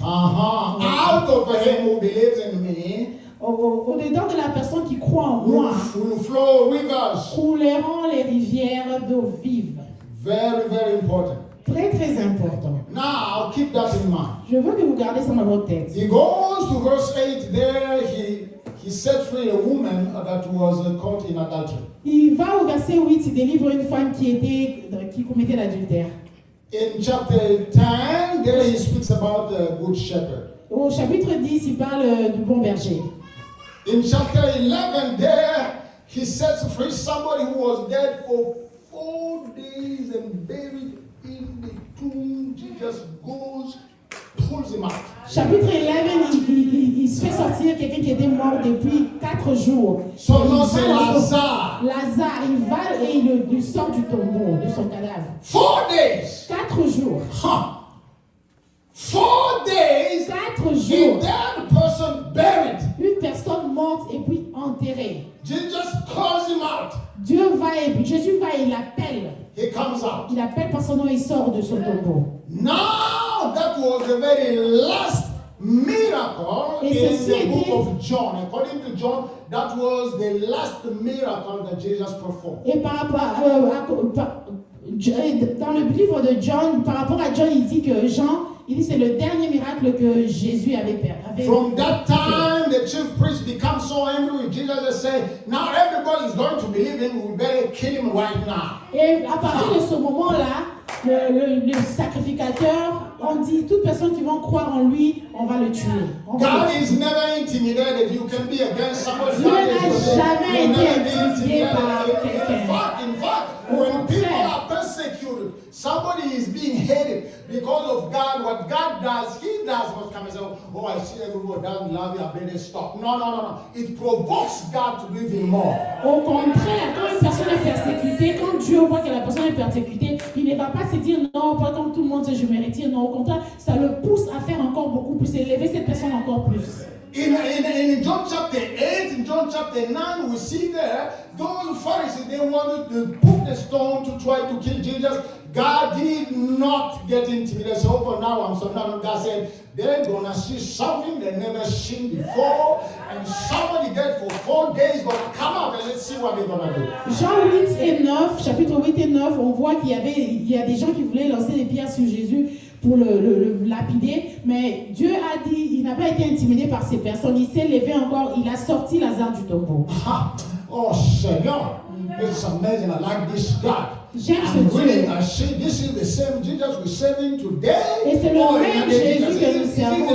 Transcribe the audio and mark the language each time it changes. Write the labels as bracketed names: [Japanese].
[English] Uh-huh. Out of him who believes in me. [French] Au-dedans de la personne qui croit en moi. [English] Will flow rivers. [French] Couleront les rivières d'eau vive. [English] Very, very important. [French] Très, très important. [English] Now, keep that in mind. [French] Je veux que vous gardez ça dans votre tête. [English] He goes to verse 8. There he set free a woman that was caught in adultery. [French] Il va au verset 8. Il délivre une femme qui commettait l'adultère. [English] In chapter 10, there he speaks about the good shepherd. [French] Au chapitre 10, il parle du bon berger. [English] In chapter 11, there he sets free somebody who was dead for 4 days and buried in the tomb. Jesus goes, pulls him out. [French] Chapitre 11, il se fait sortir quelqu'un qui était mort depuis 4 jours. Son nom c'est Lazare. Lazare, il va et il sort du tombeau, de son cadavre. [English] 4 days. [French] 4 jours. [English] Huh. 4 days. [French] 4 jours. [English] A dead person buried. [French] Une personne morte et puis enterrée. [English] Jesus calls him out. [French] Dieu va et puis Jésus va et il appelle. [English] He comes out. [French] Il appelle par son nom et il sort de son tombeau. [English] Now that was the very last miracle in the book of John. According to John, that was the last miracle that Jesus performed. [French] Et par rapport à dans le livre de John, par rapport à John, il dit que Jean, il dit c'est le dernier miracle que Jésus avait perdu. [English] From that time, the chief priest became so angry with Jesus and said, "Now everybody is going to believe him. We better kill him right now." [French] Et à partir de ce moment-là, le sacrificateur, on dit toute personne qui va croire en lui, on va le tuer. [English] God is never intimidated. You can be against somebody. [French] Dieu n'a jamais été intimidé par quelqu'un. [English] In fact, when people are persecuted, somebody is being hated because of God. What God does, He does not come and say, "Oh, I see everybody doesn't love you. I better stop." No, no, no, no. It provokes God to do even more. [French] Au contraire, quand une personne est persécutée, quand Dieu voit que la personne est persécutée, il ne va pas se dire, "Non, pas comme tout le monde, je me retire." Non, au contraire, ça le pousse à faire encore beaucoup plus, élever cette personne encore plus. [English] In John chapter 8, in John chapter 9, we see there those Pharisees, they wanted to put the stone to try to kill Jesus. God did not get intimidated. So, but now I'm so now God said, they're gonna see something they never seen before, and somebody get for 4 days, but come up and let's see what they're gonna do. [French] Jean 8 et 9, chapitre 8 et 9, on voit qu'il y avait il y a des gens qui voulaient lancer des pierres sur Jésus pour le lapider, mais Dieu a dit, il n'a pas été intimidé par ces personnes, il s'est levé encore, il a sorti Lazare du tombeau. [English] Ah, oh Seigneur, it's amazing, I like this God. [French] J'aime ce Dieu. [English] This is the same Jesus we're serving today. [French] Et c'est le oh, même Jesus que nous servons.